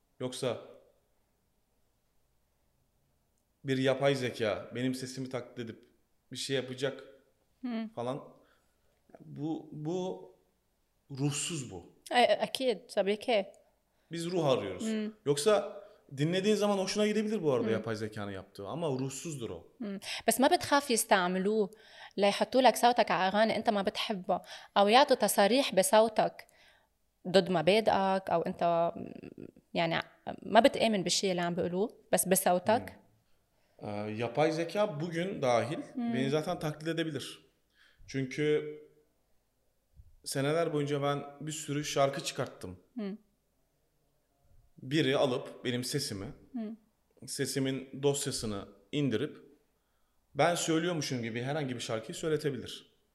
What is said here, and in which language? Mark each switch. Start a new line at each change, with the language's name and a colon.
Turkish: Yoksa bir yapay zeka benim sesimi taklit edip bir şey yapacak falan. Bu ruhsuz bu.
Arabic: Akid,
Turkish: tabii ki. Biz ruh arıyoruz. Yoksa dinlediğin zaman hoşuna gidebilir bu arada yapay zekanın yaptığı, ama ruhsuzdur o.
Arabic: بس ما بتخاف يستعملوه ليحطوا لك صوتك على أغاني أنت ما بتحبه، أو يعطوا تصاريح بصوتك ضد مبادئك، أو أنت يعني ما بتآمن بالشيء اللي عم بيقولوه بس بصوتك.
Turkish: Yapay zeka bugün dahil beni zaten taklit edebilir. Çünkü seneler boyunca ben bir sürü şarkı çıkarttım. Biri alıp benim sesimin dosyasını indirip ben söylüyormuşum gibi herhangi bir şarkıyı söyletebilir.